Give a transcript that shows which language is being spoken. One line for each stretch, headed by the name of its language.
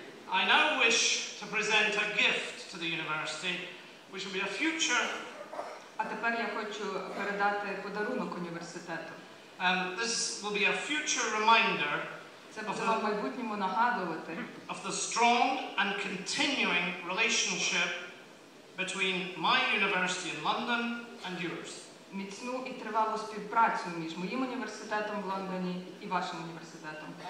English: I now wish to present a gift to the university, which will be a future.
Ukrainian: А тепер я хочу передати подарунок університету.
English: This will be a future reminder.
Ukrainian: Це буде в майбутньому нагадувати.
English: Of the strong and continuing relationship between my university in London and yours.
Ukrainian: Міцну і тривалу співпрацю між моїм університетом в Лондоні і вашим університетом.